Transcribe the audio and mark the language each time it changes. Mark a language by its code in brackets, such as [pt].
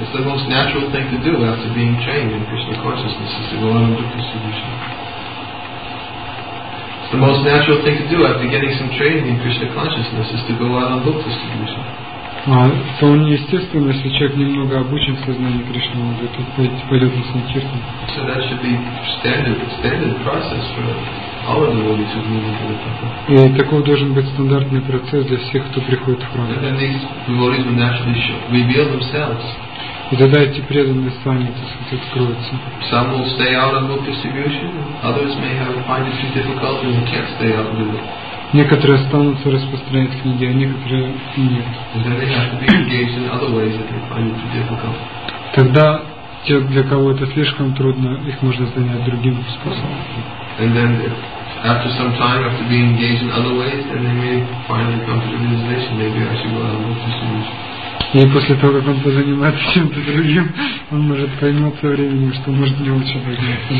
[en] The most natural thing to do after getting some training in Krishna consciousness is to go out on book distribution. [ru] Вполне естественно, если человек немного обучен в сознании Кришны, он будет пойти полет на санкиртан. [en] So that should be standard process for all of the devotees who move into the temple. [ru] И такой должен быть стандартный процесс для всех, кто приходит в храм. [en] And then these devotees will naturally reveal themselves. [ru] И тогда эти преданные сами, так сказать, откроются. [en] Some will stay out on book distribution, others may find it too difficult and can't stay out and do it. [ru] Некоторые останутся распространять книги, а некоторые нет. Тогда те, для кого это слишком трудно, их можно занять другим способом. [en] And then after some time, after being engaged in other ways, then they may finally come to the realization, maybe I should go out and work this solution. [ru] И после того, как он позанимается чем-то другим, он может поймет со временем, что может не лучше поднять.